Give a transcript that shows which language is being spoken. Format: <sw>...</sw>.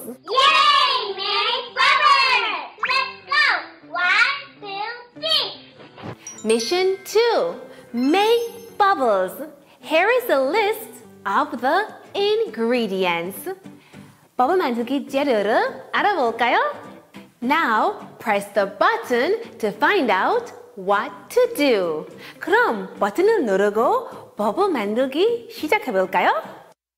<en>Yay! Make bubbles! Let's go! 1, 2, 3! Mission 2. Make bubbles. Here is a list of the ingredients.</en> <ko>버블 만들기 재료를 알아볼까요?</ko> <en>Now, press the button to find out what to do.</en> <ko>그럼 버튼을 누르고 버블 만들기 시작해볼까요?</ko>